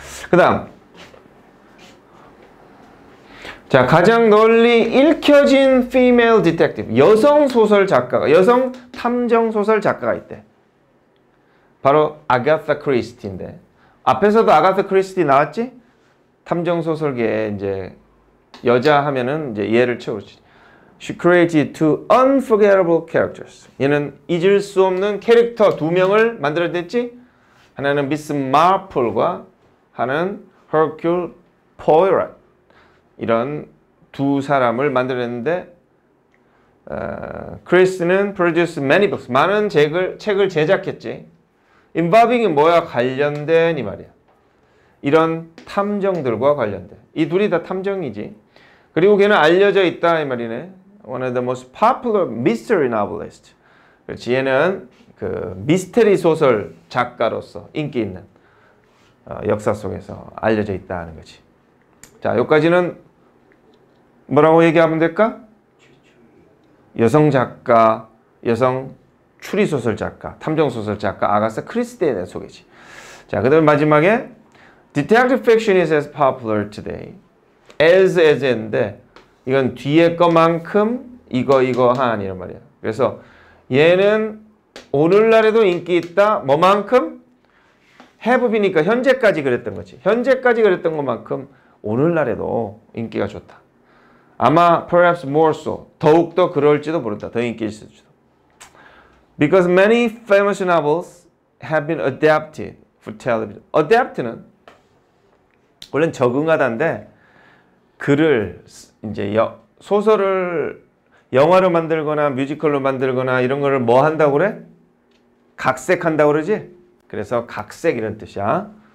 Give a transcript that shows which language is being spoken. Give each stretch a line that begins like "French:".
Korean: 그 다음 자 가장 널리 읽혀진
English: female detective
Korean: 여성 소설 작가가 여성 탐정 소설 작가가 있대. 바로 아가사 크리스티인데 앞에서도 아가사 크리스티 나왔지? 탐정 소설계에 이제 여자 하면은 이제 얘를 채우지.
English: She created two unforgettable characters.
Korean: 얘는 잊을 수 없는 캐릭터 두 명을 만들어냈지? 하나는 미스 마플과 하는 Hercule Poirot 이런 두 사람을 만들었는데 크리스는
English: produced many books
Korean: 많은 책을 제작했지. Involving이 뭐야? 관련된 이 말이야. 이런 탐정들과 관련된 이 둘이 다 탐정이지. 그리고 걔는 알려져 있다 이 말이네.
English: One of the most popular mystery novelist
Korean: 그렇지. 얘는 그 미스테리 소설 작가로서 인기 있는 역사 속에서 알려져 있다 하는 거지. 자, 여기까지는 뭐라고 얘기하면 될까? 여성 작가, 여성 추리 소설 작가, 탐정 소설 작가 아가사 크리스티에 대한 소개지.
English: 자, 그다음 마지막에 Detective fiction is as popular today as인데
Korean: 이건 뒤에 것만큼 이거한 이런 말이야. 그래서 얘는 오늘날에도 인기 있다. 뭐만큼? have 이니까 현재까지 그랬던 거지. 현재까지 그랬던 것만큼 오늘날에도 인기가 좋다. 아마
English: perhaps more so
Korean: 더욱더 그럴지도 모른다. 더 인기 있을지도.
English: Because many famous novels have been adapted for television. Adapt는
Korean: 원래는 적응하다인데 글을 이제 소설을 영화로 만들거나 뮤지컬로 만들거나 이런 거를 뭐 한다고 그래? 각색한다고 그러지? 그래서 각색 이런 뜻이야.